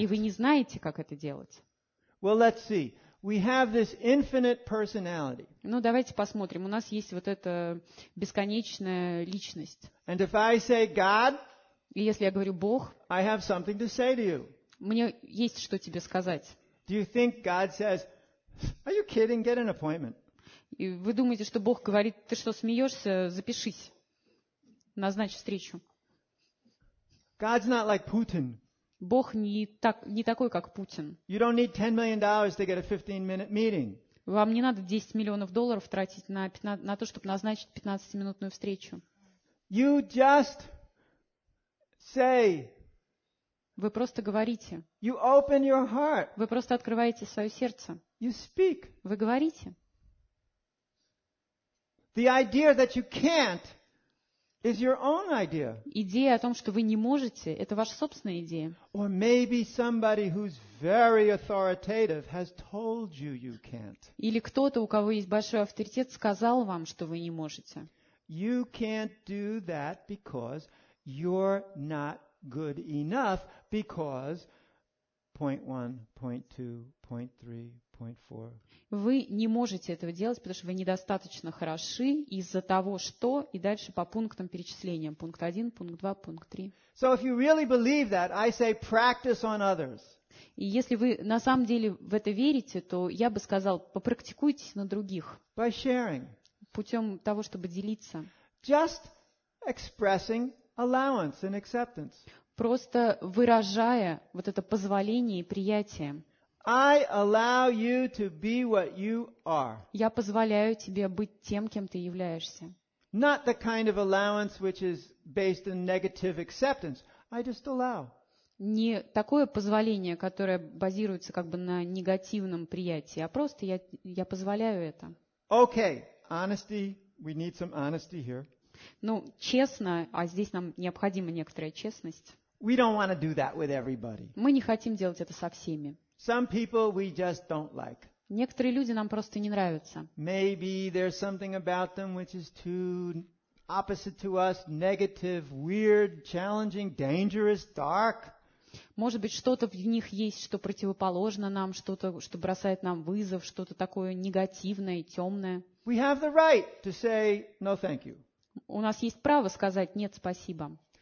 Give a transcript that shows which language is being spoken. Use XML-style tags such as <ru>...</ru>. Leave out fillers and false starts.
<ru>И вы не знаете, как это делать.</ru> <en>Well, let's see. We have this infinite personality.</en> <ru>Ну, давайте посмотрим. У нас есть вот эта бесконечная личность.</ru> <en>And if I say God,</en> <ru>и если я говорю Бог,</ru> <en>I have something to say to you.</en> <ru>Мне есть что тебе сказать.</ru> <en>Do you think God says, "Are you kidding? Get an appointment"?</en> <ru>И вы думаете, что Бог говорит, ты что, смеешься? Запишись. Назначь встречу.</ru> <en>God's not like Putin.</en> <ru>Бог не такой, как Путин.</ru> <en>You don't need $10 million to get a 15-minute meeting.</en> <ru>Вам не надо 10 миллионов долларов тратить на то, чтобы назначить 15-минутную встречу.</ru> <en>You just say.</en> <ru>Вы просто говорите.</ru> <en>You open your heart.</en> <ru>Вы просто открываете свое сердце.</ru> <en>You speak.</en> <ru>Вы говорите.</ru> <en>The idea that you can't. Is your own idea.</en> <ru>Идея о том, что вы не можете, это ваша собственная идея.</ru> <en>Or maybe somebody who's very authoritative has told you you can't.</en> <ru>Или кто-то, у кого есть большой авторитет, сказал вам, что вы не можете.</ru> <en>You can't do that because you're not good enough because point one, point two, point three.</en> <ru>Вы не можете этого делать, потому что вы недостаточно хороши из-за того, что, и дальше по пунктам перечисления. Пункт 1, пункт 2, пункт 3.</ru> <en>So if you really believe that, I say practice on others.</en> <ru>И если вы на самом деле в это верите, то я бы сказал, попрактикуйтесь на других.</ru> <en>By sharing.</en> <ru>Путем того, чтобы делиться.</ru> <en>Just expressing allowance and acceptance.</en> <ru>Просто выражая вот это позволение и приятие.</ru> <en>I allow you to be what you are.</en> <ru>Я позволяю тебе быть тем, кем ты являешься.</ru> <en>Not the kind of allowance which is based on negative acceptance. I just allow.</en> <ru>Не такое позволение, которое базируется как бы на негативном приятии, а просто я позволяю это.</ru> <en>Okay, honesty. We need some honesty here.</en> <ru>Ну, честно, а здесь нам необходима некоторая честность.</ru> <en>We don't want to do that with everybody.</en> <ru>Мы не хотим делать это со всеми.</ru> <en>Some people we just don't like.</en> <ru>Некоторые люди нам просто не нравятся.</ru> <en>Maybe there's something about them which is too opposite to us, negative, weird, challenging, dangerous, dark.</en> <ru>Может быть, что-то в них есть, что противоположно нам, что-то, что бросает нам вызов, что-то такое негативное, темное.</ru> <en>We have the right to say no, thank you.</en> <ru>У нас есть право сказать нет, спасибо.</ru>